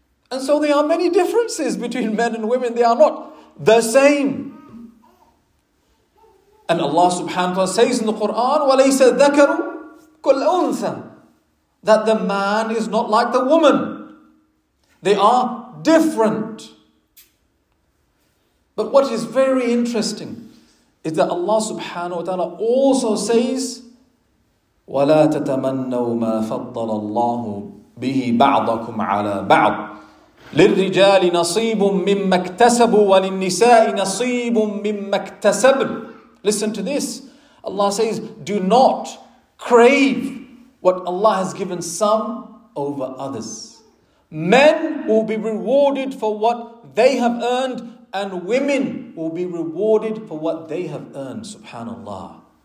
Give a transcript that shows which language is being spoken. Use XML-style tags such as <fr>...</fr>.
<en>And so there are many differences between men and women. They are not the same. And Allah subhanahu wa ta'ala says in the Quran,</en> <ar>وَلَيْسَ ذَكَرُ كُلْ أُنْثَ,</ar> <en>that the man is not like the woman. They are different. But what is very interesting is that Allah subhanahu wa ta'ala also says,</en> <ar>وَلَا تَتَمَنَّوْ مَا فَضَّلَ اللَّهُ بِهِ بَعْضَكُمْ عَلَى بَعْضٍ لِلرِّجَالِ نَصِيبٌ مِمَّا اكْتَسَبُوا وَلِلنِّسَاءِ نَصِيبٌ مِمَّا اكْتَسَبْنَ.</ar> <en>Listen to this. Allah says, do not crave what Allah has given some over others. Men will be rewarded for what they have earned, and women will be rewarded for what they have earned. SubhanAllah.</en>